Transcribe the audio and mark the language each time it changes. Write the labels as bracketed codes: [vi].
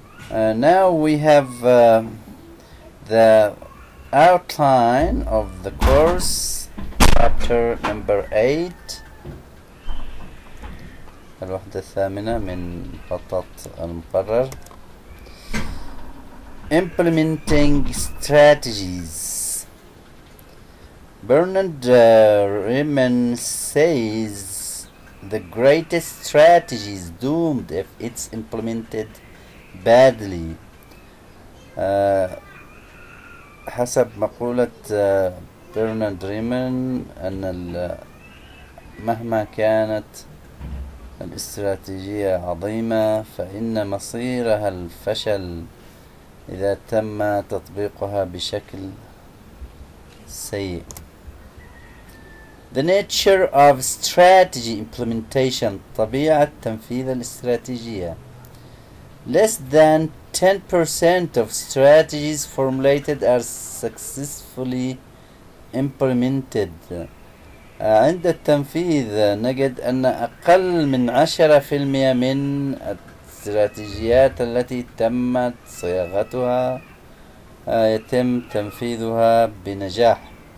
[en] Now we have the outline of the course, chapter number 8. [ar] الوحدة الثامنة من خطط المقرر. [en] Implementing strategies. Bernard Riemann says the greatest strategy is doomed if it's implemented badly. [ar] حسب مقولة برنارد ريمان أن مهما كانت الاستراتيجية عظيمة فإن مصيرها الفشل إذا تم تطبيقها بشكل سيء. [en] The nature of strategy implementation, [ar] طبيعة تنفيذ الاستراتيجية. [en] Less than 10% of strategies formulated are successfully implemented. [ar] عند التنفيذ نجد أن أقل من 10% من الاستراتيجيات التي تمت صياغتها يتم تنفيذها بنجاح.